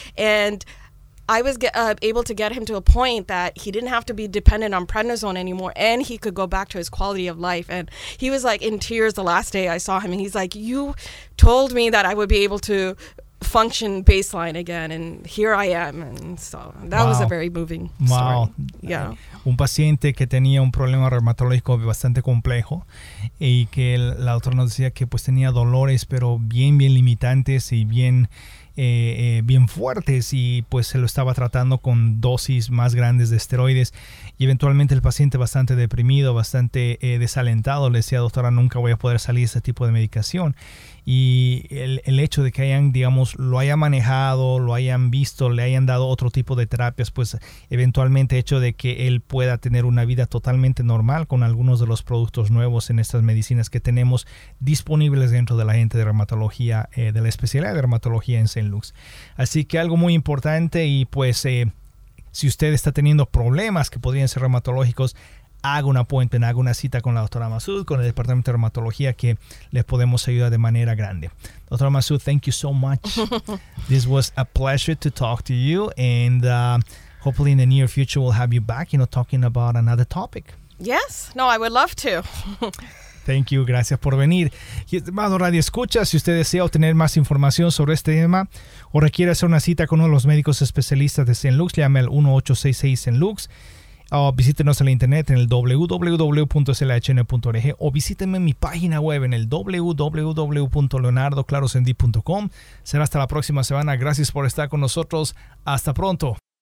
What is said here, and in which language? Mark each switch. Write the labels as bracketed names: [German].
[English] And I was able to get him to a point that he didn't have to be dependent on prednisone anymore, and he could go back to his quality of life. And he was like in tears the last day I saw him, and he's like, you told me that I would be able to function baseline again, and here I am. And so that was a very moving story. Yeah. [Spanish] Un paciente que tenía un problema reumatológico bastante complejo, y que la doctora nos decía que pues tenía dolores, pero bien, bien limitantes y bien bien fuertes, y pues se lo estaba tratando con dosis más grandes de esteroides, y eventualmente el paciente, bastante deprimido, bastante desalentado, le decía: doctora, nunca voy a poder salir de este tipo de medicación. Y el hecho de que hayan, digamos, lo haya manejado, lo hayan visto, le hayan dado otro tipo de terapias, pues eventualmente hecho de que él pueda tener una vida totalmente normal con algunos de los productos nuevos en estas medicinas que tenemos disponibles dentro de la gente de reumatología, de la especialidad de reumatología en St. Luke's. Así que algo muy importante, y pues si usted está teniendo problemas que podrían ser reumatológicos, haga un appointment, haga una cita con la doctora Masood, con el departamento de reumatología, que les podemos ayudar de manera grande. [English] Doctora Masood, thank you so much. This was a pleasure to talk to you, and hopefully in the near future we'll have you back, you know, talking about another topic. Yes, no, I would love to. Thank you, [Spanish] gracias por venir. Y estimado Radio Escucha, si usted desea obtener más información sobre este tema o requiere hacer una cita con uno de los médicos especialistas de St. Luke's, llame al 1-866-St. Luke's. Visítenos en la internet en el www.slhn.org o visítenme en mi página web en el www.leonardoclarosendi.com. Será hasta la próxima semana. Gracias por estar con nosotros. Hasta pronto.